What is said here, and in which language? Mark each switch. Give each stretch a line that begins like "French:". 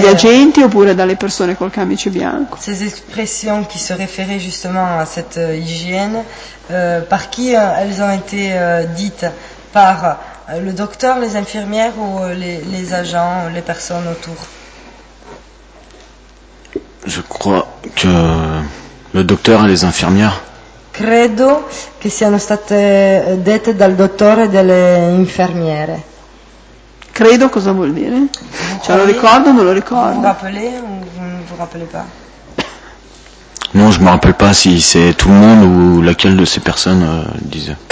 Italian: Dagli agenti oppure dalle persone col camice bianco?
French: Ces expressions qui se référaient justement à cette hygiène, par qui elles ont été dites? Par le docteur, les infirmières ou les agents, les personnes autour? Je crois que le docteur et les infirmières.
Italian: Credo che siano state dette dal dottore e dalle infermiere. Credo cosa vuol dire? Cioè, lo ricordo o non lo ricordo?
French: Vous rappelez ou vous ne vous rappelez pas? Non, je me rappelle pas si c'est tout le monde ou laquelle de ces personnes disait.